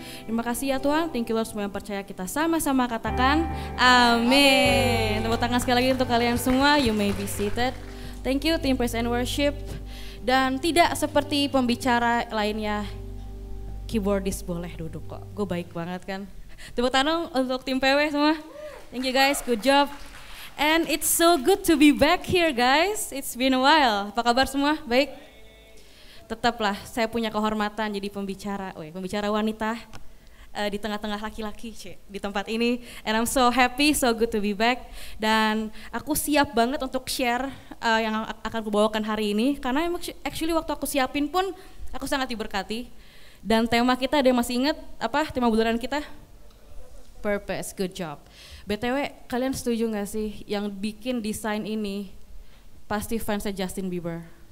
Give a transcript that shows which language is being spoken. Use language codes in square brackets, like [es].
[id] Terima kasih ya Tuhan, [en] thank you Lord, [id] semua yang percaya kita sama-sama katakan amin. Tepuk tangan sekali lagi untuk kalian semua, [en] you may be seated. Thank you team praise and worship. [id] Dan tidak seperti pembicara lainnya, keyboardis boleh duduk kok, gue baik banget kan. Tepuk tangan untuk tim PW semua, [en] thank you guys, good job. And it's so good to be back here guys, it's been a while. [id] Apa kabar semua, baik? Tetaplah, saya punya kehormatan jadi pembicara, pembicara wanita di tengah-tengah laki-laki di tempat ini. [en] And I'm so happy, so good to be back. [id] Dan aku siap banget untuk share yang akan kubawakan hari ini, karena actually waktu aku siapin pun aku sangat diberkati. Dan tema kita, ada yang masih ingat apa tema bulanan kita? [en] Purpose, good job. [id] BTW, kalian setuju gak sih yang bikin desain ini pasti fansnya Justin Bieber?